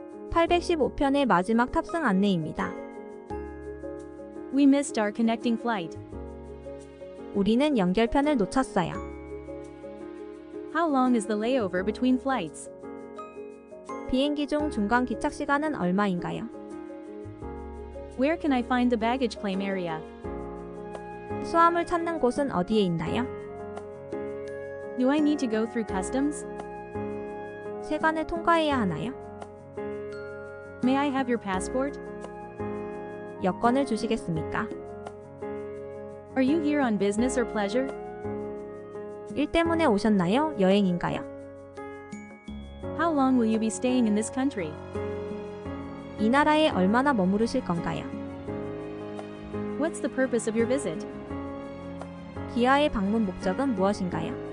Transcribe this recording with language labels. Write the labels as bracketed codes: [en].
[ko] 815편의 마지막 탑승 안내입니다. [en] We missed our connecting flight. [ko] 우리는 연결편을 놓쳤어요. [en] How long is the layover between flights? [ko] 비행기 중 중간 기착 시간은 얼마인가요? [en] Where can I find the baggage claim area? [ko] 수화물 찾는 곳은 어디에 있나요? [en] Do I need to go through customs? [ko] 세관을 통과해야 하나요? [en] May I have your passport? [ko] 여권을 주시겠습니까? [en] Are you here on business or pleasure? [ko] 일 때문에 오셨나요? 여행인가요? [en] How long will you be staying in this country? [ko] 이 나라에 얼마나 머무르실 건가요? [en] What's the purpose of your visit? [ko] 기아의 방문 목적은 무엇인가요?